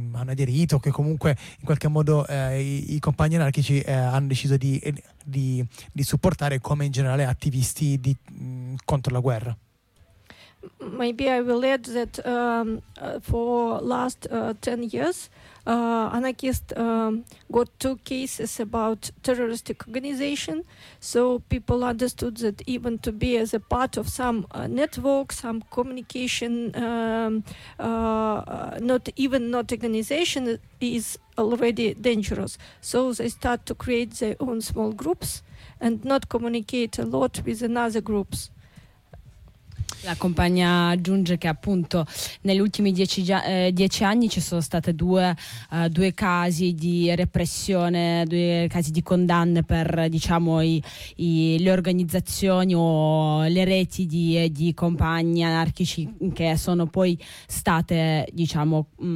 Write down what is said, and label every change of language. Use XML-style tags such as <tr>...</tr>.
<it>hanno aderito, che comunque in qualche modo i compagni anarchici hanno deciso di supportare, come in generale attivisti di, contro la guerra.</it> <en>Maybe I will add that for last 10 years anarchists got two cases about terrorist organization, so people understood that even to be as a part of some network, some communication, not organization is already dangerous, so they start to create their own small groups and not communicate a lot with another groups.</en> <it>La compagna aggiunge che appunto negli ultimi 10 anni ci sono state due casi di repressione, due casi di condanne per, diciamo, le organizzazioni o le reti di compagni anarchici che sono poi state, diciamo,</it>